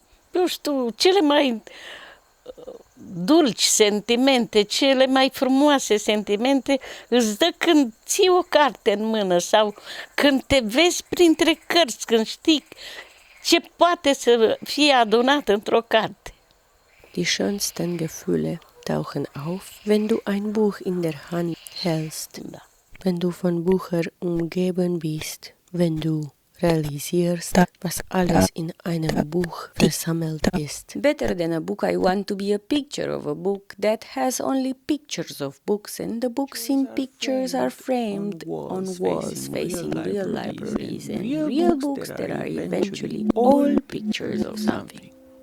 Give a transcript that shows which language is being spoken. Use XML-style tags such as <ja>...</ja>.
<ro>Nu știu, cele mai dulci sentimente, cele mai frumoase sentimente îți dă când ții o carte în mână sau când te vezi printre cărți, când știi ce poate să fie adunat într-o carte.</ro> <de>Die schönsten Gefühle tauchen auf, wenn du ein Buch in der Hand hältst,</de> <ro>da.</ro> <de>Wenn du von Bücher umgeben bist, wenn du realisierst, was alles in einem Buch versammelt ist.</de> <en>Better than a book, I want to be a picture of a book that has only pictures of books, and the books in pictures are framed on walls facing real libraries and real books that are eventually all pictures of something.</en>